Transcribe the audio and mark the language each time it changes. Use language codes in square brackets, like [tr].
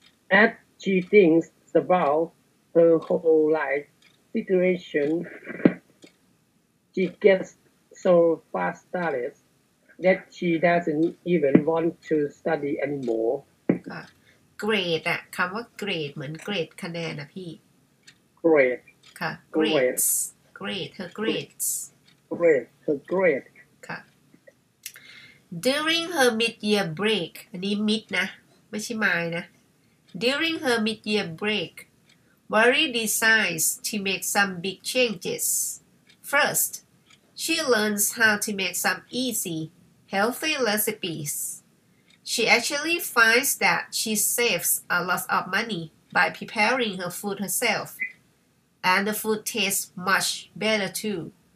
[en] as she thinks about her whole life situation she gets so fastidious that she doesn't even want to study anymore [th] grade อ่ะคำว่า grade เหมือน grade คะแนนนะพี่ grade [en] ค่ะ grades her grades grade her grade ค่ะ during her mid year break [th] อันนี้ mid นะไม่ใช่ my นะ [en] during her mid year break Mary decides to make some big changes first she learns how to make some easy healthy recipes She actually finds that she saves a lot of money by preparing her food herself, and the food tastes much better too.